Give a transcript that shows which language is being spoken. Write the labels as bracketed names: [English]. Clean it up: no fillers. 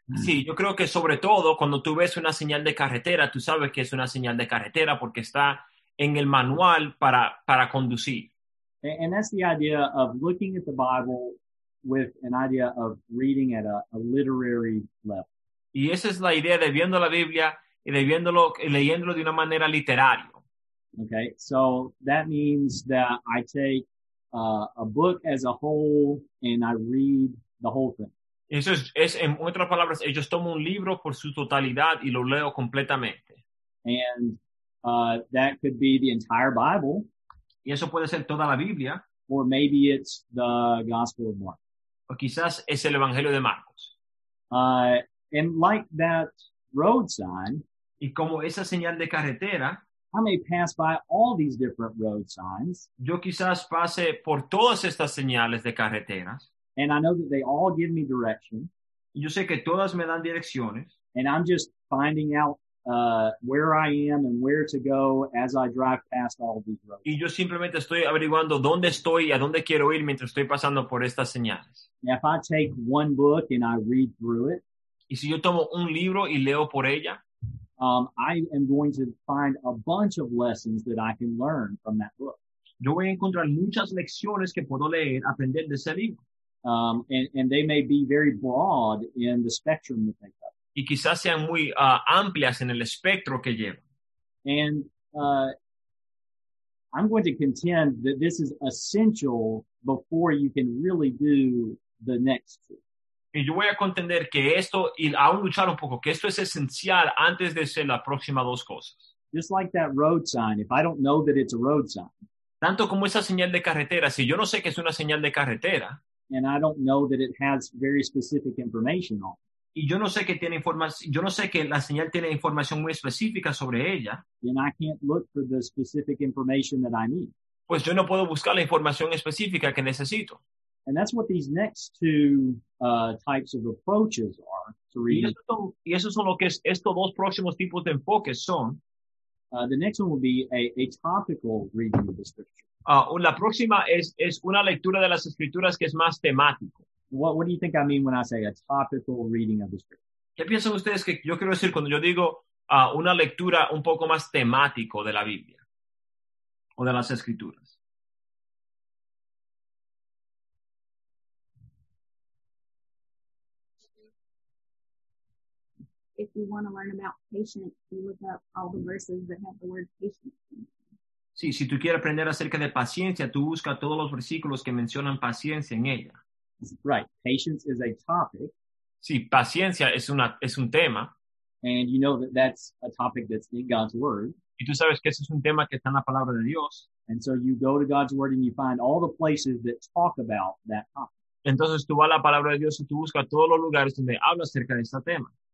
[Spanish] Sí, yo creo que sobre todo cuando tú ves una señal de carretera, tú sabes que es una señal de carretera porque está en el manual para conducir. [English] And that's the idea of looking at the Bible with an idea of reading at a literary level. [Spanish] Y esa es la idea de viendo la Biblia y de viéndolo y leyéndolo de una manera literaria. [English] Okay, so that means that I take a book as a whole and I read the whole thing. [Spanish] Eso es en otras palabras, ellos toman un libro por su totalidad y lo leo completamente. [English] And that could be the entire Bible. [Spanish] Y eso puede ser toda la Biblia. [English] Or maybe it's the Gospel of Mark. [Spanish] O quizás es el Evangelio de Marcos. [English] And like that road sign. [Spanish] Y como esa señal de carretera. [English] I may pass by all these different road signs. [Spanish] Yo quizás pase por todas estas señales de carreteras. [English] And I know that they all give me direction. [Spanish] Y yo sé que todas me dan direcciones. [English] And I'm just finding out where I am and where to go as I drive past all these roads. [Spanish] Y yo simplemente estoy averiguando dónde estoy y a dónde quiero ir mientras estoy pasando por estas señales. [English] Now, if I take one book and I read through it, [Spanish] y si yo tomo un libro y leo por ella, [English] I am going to find a bunch of lessons that I can learn from that book. [Spanish] Yo voy a encontrar muchas lecciones que puedo leer, aprender de ese libro. [English] And they may be very broad in the spectrum that they cover. [Spanish] Y quizás sean muy amplias en el espectro que llevan. [English] And I'm going to contend that this is essential before you can really do the next two. [Spanish] Y yo voy a contender que esto, y aún luchar un poco, que esto es esencial antes de hacer las próximas dos cosas. [English] Just like that road sign, if I don't know that it's a road sign. [Spanish] Tanto como esa señal de carretera, si yo no sé que es una señal de carretera. [English] And I don't know that it has very specific information on it. [Spanish] Y yo no sé que tiene información, yo no sé que la señal tiene información muy específica sobre ella. [English] Then I can't look for the specific information that I need. [Spanish] Pues yo no puedo buscar la información específica que necesito. [English] And that's what these next two types of approaches are to reading. [Spanish] Estos dos próximos tipos de enfoques son. [English] The next one will be a topical reading of the scripture. [Spanish] La próxima es una lectura de las escrituras que es más temático. [English] What do you think I mean when I say a topical reading of the scripture? [Spanish] ¿Qué piensan ustedes que yo quiero decir cuando yo digo una lectura un poco más temático de la Biblia o de las escrituras? [English] If you want to learn about patience, you look up all the verses that have the word patience. [Spanish] Sí, si tú quieres aprender acerca de paciencia, tú busca todos los versículos que mencionan paciencia en ella. [English] Right, patience is a topic. [Spanish] Sí, paciencia es un tema. [English] And you know that that's a topic that's in God's word. [Spanish] Y tú sabes que ese es un tema que está en la palabra de Dios. [English] And so you go to God's word and you find all the places that talk about that topic. [Spanish] Entonces tú vas a la palabra de Dios y tú buscas todos los lugares donde habla acerca de este tema.